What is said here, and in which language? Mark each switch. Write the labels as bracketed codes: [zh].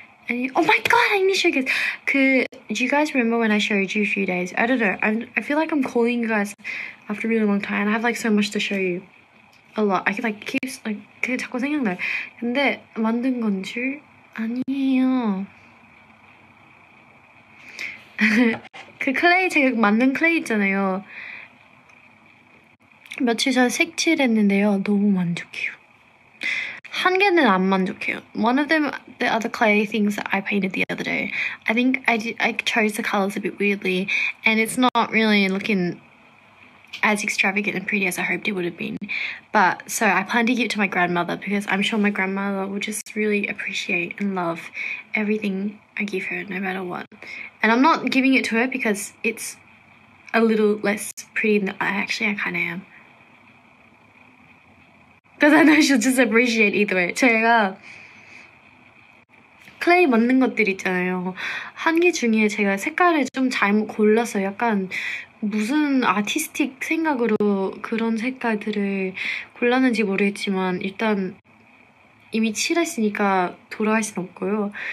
[en] 아니, oh my god, I need to show you guys. 그, do you guys remember when I showed you a few days? I don't know. I feel like I'm calling you guys after a really long time. I have like so much to show you. A lot. I can like keep, like, [ko] 그게 자꾸 생각나. 근데 만든 건 줄 아니에요. 그 클레이 제가 만든 클레이 있잖아요. 며칠 전 색칠했는데요. 너무 만족해요. 한 개는 안 만족해요. [en] One of them, the other clay things that I painted the other day. I think I chose the colors a bit weirdly, and it's not really looking as extravagant and pretty as I hoped it would have been. But so I plan to give it to my grandmother because I'm sure my grandmother will just really appreciate and love everything I give her, no matter what. And I'm not giving it to her because it's a little less pretty than I actually I kind of am. Because I know she'll just appreciate either way. [ko] 제가 클레이 먹는 것들 있잖아요. 한 개 중에 제가 색깔을 좀 잘못 골라서 약간 무슨 아티스틱 생각으로 그런 색깔들을 골랐는지 모르겠지만 일단 이미 칠했으니까 돌아갈 순 없고요.